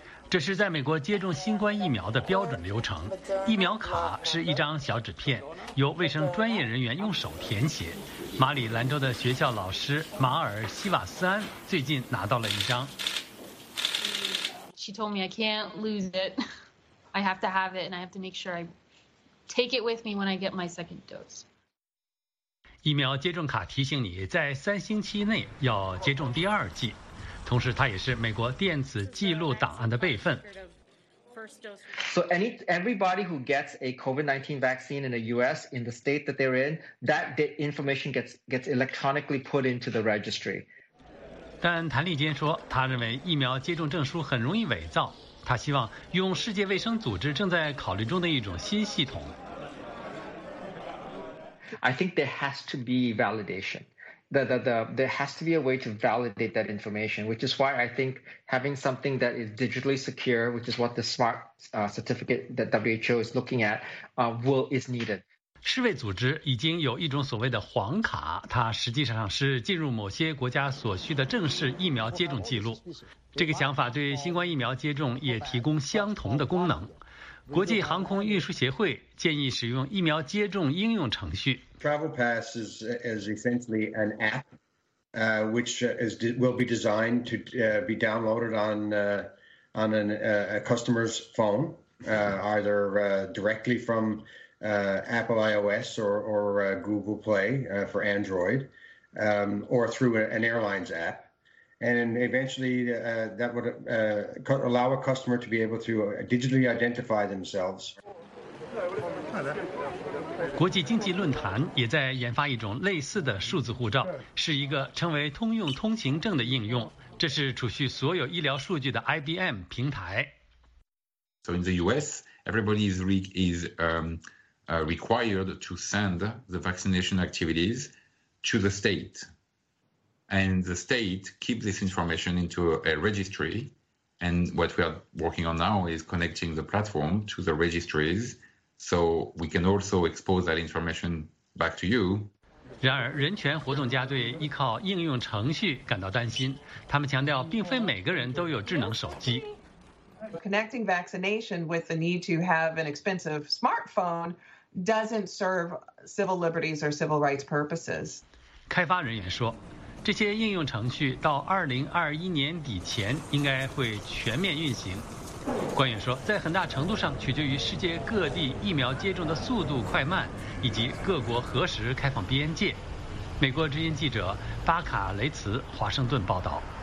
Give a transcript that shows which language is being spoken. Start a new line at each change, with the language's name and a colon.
Chinese: 这是在美国接种新冠疫苗的标准流程。疫苗卡是一张小纸片，由卫生专业人员用手填写。马里兰州的学校老师马尔·希瓦斯安最近拿到了一张。
English: She told me I can't lose it. I have to have it, and I have to make sure I take it with me when I get my second dose.
Chinese: 疫苗接种卡提醒你在3星期内要接种第二剂。同时它也是美国电子记录档案的备份。
English: So everybody who gets a COVID-19 vaccine in the US, in the state that they're in, that information gets electronically put into the registry.
Chinese: 但谭丽坚说，他认为疫苗接种证书很容易伪造，他希望用世界卫生组织正在考虑中的一种新系统。
English: I think there has to be validation. There has to be a way to validate that information, which is why I think having something that is digitally secure, which is what the smart certificate that WHO is looking at, is needed.
Chinese: 世卫组织已经有一种所谓的黄卡，它实际上是进入某些国家所需的正式疫苗接种记录。这个想法对新冠疫苗接种也提供相同的功能。国际航空运输协会建议使用疫苗接种应用程序。
English: Travel Pass is essentially an app, which is will be designed to be downloaded on an customer's phone, either directly from Apple iOS or Google Play for Android, or through an airline's app. And eventually, that would allow a customer to be able to digitally identify themselves.
Chinese: 国际经济论坛也在研发一种类似的数字护照，是一个称为通用通行证的应用。这是储蓄所有医疗数据的 IBM 平台。
English: So in the U.S., everybody is required to send the vaccination activities to the state. And the state keeps this information into a registry. And what we are working on now is connecting the platform to the registries so we can also expose that information back to you.
Chinese: 然而人权活动家对依靠应用程序感到担心。他们强调并非每个人都有智能手机。
English: Connecting vaccination with the need to have an expensive smartphone doesn't serve civil liberties or civil rights purposes.
Chinese: 开发人员说，这些应用程序到2021年底前应该会全面运行。官员说，在很大程度上取决于世界各地疫苗接种的速度快慢，以及各国何时开放边界。美国之音记者巴卡雷茨华盛顿报道。